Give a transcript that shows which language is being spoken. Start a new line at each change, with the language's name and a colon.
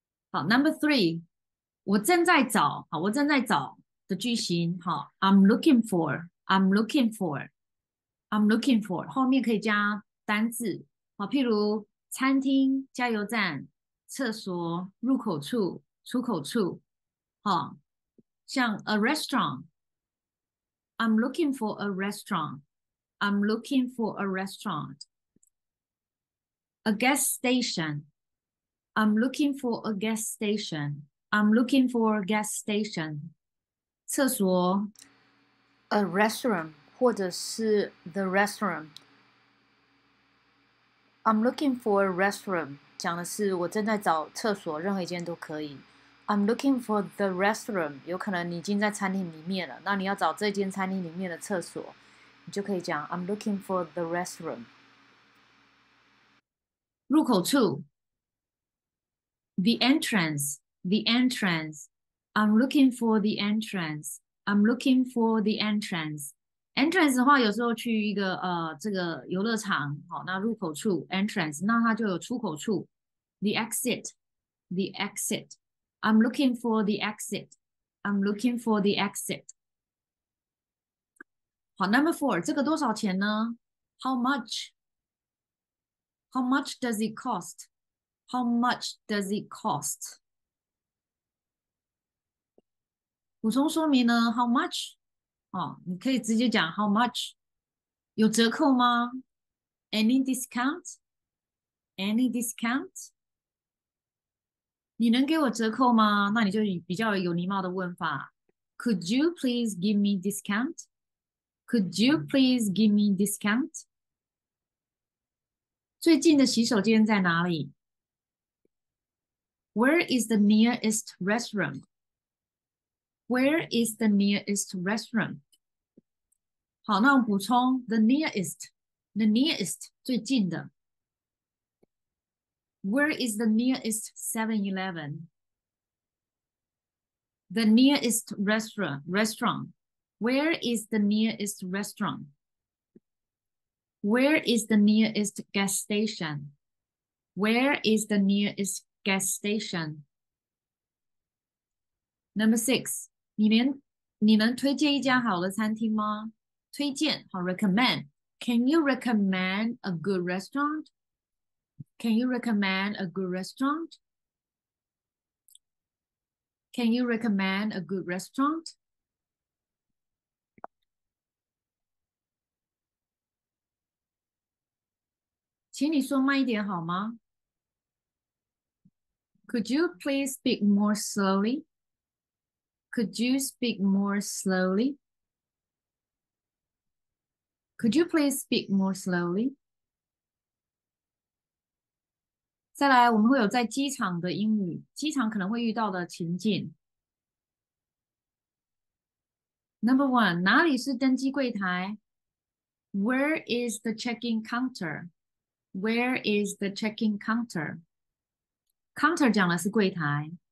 Chinese: 好，
English: Number three，
Chinese: 我正在找。好，我正在找的句型。好，
English: I'm looking for。 I'm looking for。 I'm looking for。
Chinese: 后面可以加单字。好，譬如餐厅、加油站、厕所、入口处、出口处。好，像
English: a restaurant。 I'm looking for a restaurant。 I'm looking for a restaurant。 A gas station。 I'm looking for a gas station. I'm looking for a gas station.
Chinese: 厕所。
English: A restroom，
Chinese: 或者是
English: the restroom。 I'm looking for a restroom，
Chinese: 讲的是我正在找厕所，任何一间都可以。
English: I'm looking for the restroom，
Chinese: 有可能你已经在餐厅里面了，那你要找这间餐厅里面的厕所，你就可以讲 I'm looking for the restroom。入口处。
English: The entrance, the entrance. I'm looking for the entrance. I'm looking for the entrance.
Chinese: Entrance 的话，有时候去一个这个游乐场，好，那入口处 entrance，那它就有出口处
English: the exit, the exit. I'm looking for the exit. I'm looking for the exit. 好，Number four，
Chinese: 这个多少钱呢？
English: How much? How much does it cost? How much does it cost？
Chinese: 补充说明呢？
English: How much？
Chinese: 哦，你可以直接讲 How much？有折扣吗？
English: Any discount？Any discount？
Chinese: 你能给我折扣吗？那你就比较有礼貌的问法：
English: Could you please give me discount？Could you please give me discount？
Chinese: 最近的洗手间在哪里？
English: Where is the nearest restroom? Where is the nearest restroom?
Chinese: 好，那我补充
English: the nearest
Chinese: 最近的。
English: Where is the nearest 7-Eleven? The nearest restaurant. Where is the nearest restaurant? Where is the nearest gas station? Where is the nearest gas station. Number six，
Chinese: 你能推荐一家好的餐厅吗？推荐好，recommend。
English: Can you recommend a good restaurant? Can you recommend a good restaurant? Can you recommend a good restaurant?
Chinese: 请你说慢一点好吗？
English: Could you please speak more slowly? Could you speak more slowly? Could you please speak more slowly？
Chinese: 再来，我们会有在机场的英语，机场可能会遇到的情境。
English: Number one，
Chinese: 哪里是登机柜台？
English: Where is the check-in counter？Where is the check-in counter？Counter
Chinese: 讲的是柜台。